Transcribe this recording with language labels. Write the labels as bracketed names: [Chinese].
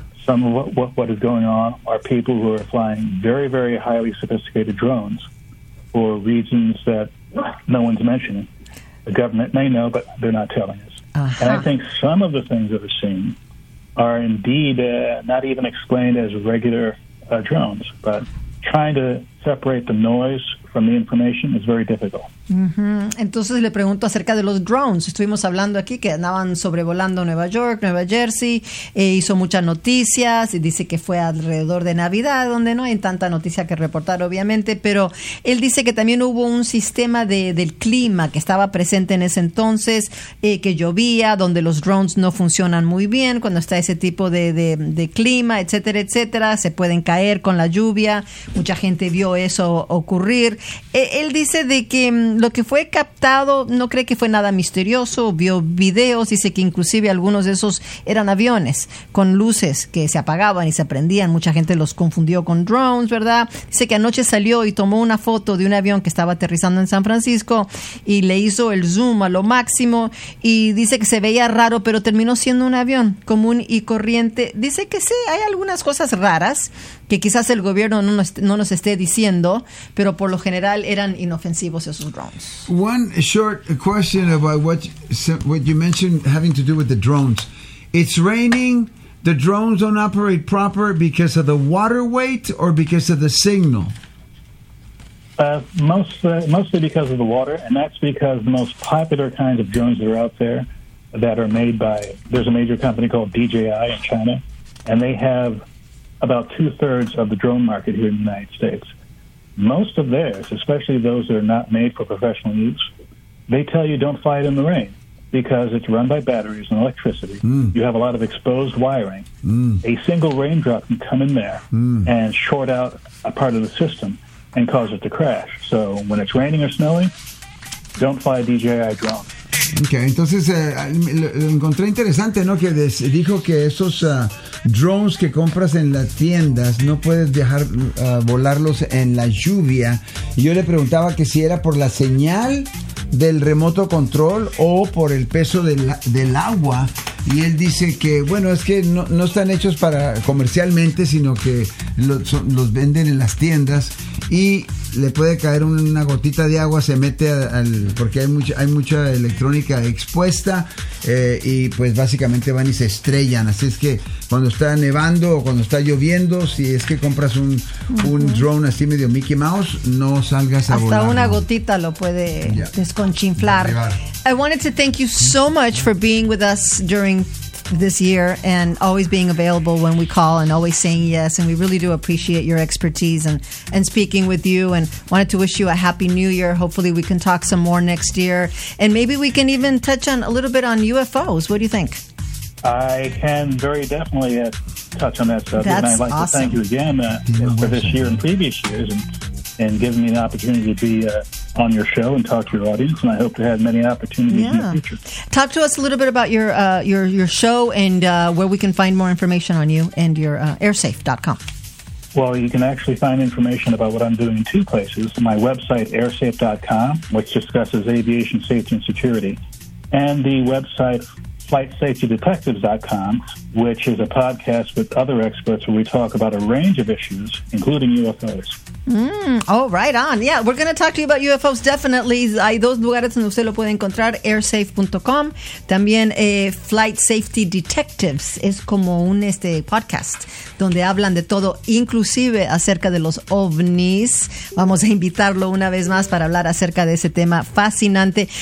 [English] Some of what is going on are people who are flying very, very highly sophisticated drones for reasons that no one's mentioning. The government may know, but they're not telling us. Uh-huh. And I think some of the things that are seen are indeed not even explained as regular drones. But trying to separate the noise from the information is very difficult. [Spanish] Uh-huh. Entonces le pregunto acerca de los drones. Estuvimos hablando aquí que andaban sobrevolando Nueva York, Nueva Jersey, e hizo muchas noticias y dice que fue alrededor de Navidad, donde no hay tanta noticia que reportar, obviamente, pero él dice que también hubo un sistema del clima que estaba presente en ese entonces, que llovía, donde los drones no funcionan muy bien cuando está ese tipo de clima, etcétera, etcétera. Se pueden caer con la lluvia. Mucha gente vio eso ocurrir. Él dice de que lo que fue captado no cree que fue nada misterioso, vio videos, dice que inclusive algunos de esos eran aviones con luces que se apagaban y se prendían, mucha gente los confundió con drones, ¿verdad? Dice que anoche salió y tomó una foto de un avión que estaba aterrizando en San Francisco y le hizo el zoom a lo máximo y dice que se veía raro, pero terminó siendo un avión común y corriente. Dice que sí, hay algunas cosas raras que quizás el gobierno no nos esté diciendo, pero por lo general eran inofensivos esos drones. [English] One short question about what you mentioned having to do with the drones. It's raining, the drones don't operate proper because of the water weight or because of the signal? Mostly because of the water, and that's because the most popular kinds of drones that are out there that are made by, there's a major company called DJI in China, and they have about two-thirds of the drone market here in the United States. Most of theirs, especially those that are not made for professional use, they tell you don't fly it in the rain because it's run by batteries and electricity. Mm. You have a lot of exposed wiring. Mm. A single raindrop can come in there and short out a part of the system and cause it to crash. So when it's raining or snowing, don't fly a DJI drone. [Spanish] Okay, entonces lo encontré interesante, ¿no? Que dijo que esos drones que compras en las tiendas no puedes dejar volarlos en la lluvia. Y yo le preguntaba que si era por la señal del remoto control o por el peso del agua. Y él dice que, bueno, es que no están hechos para comercialmente, sino que los venden en las tiendas. Y le puede caer una gotita de agua, se mete porque hay mucha electrónica expuesta y pues básicamente van y se estrellan. Así es que cuando está nevando o cuando está lloviendo, si es que compras un drone así medio Mickey Mouse, no salgas a volar. Hasta una gotita lo puede desconchinflar. [English] I wanted to thank you so much for being with us during this year and always being available when we call and always saying yes, and we really do appreciate your expertise and speaking with you, and wanted to wish you a happy new year. Hopefully we can talk some more next year, and maybe we can even touch on a little bit on UFOs. What do you think? I can very definitely touch on that subject. That's and I'd like awesome. To thank you again for this year and previous years and giving me the opportunity to be on your show and talk to your audience, and I hope to have many opportunities in the future. Talk to us a little bit about your show and where we can find more information on you and your airsafe.com. Well, you can actually find information about what I'm doing in two places. My website, airsafe.com, which discusses aviation safety and security, and the website FlightSafetyDetectives.com, which is a podcast with other experts where we talk about a range of issues, including UFOs. Mm, oh, right on. Yeah, we're going to talk to you about UFOs, definitely. [Spanish] Hay dos lugares donde usted lo puede encontrar, airsafe.com. También Flight Safety Detectives es como un podcast donde hablan de todo, inclusive acerca de los ovnis. Vamos a invitarlo una vez más para hablar acerca de ese tema fascinante.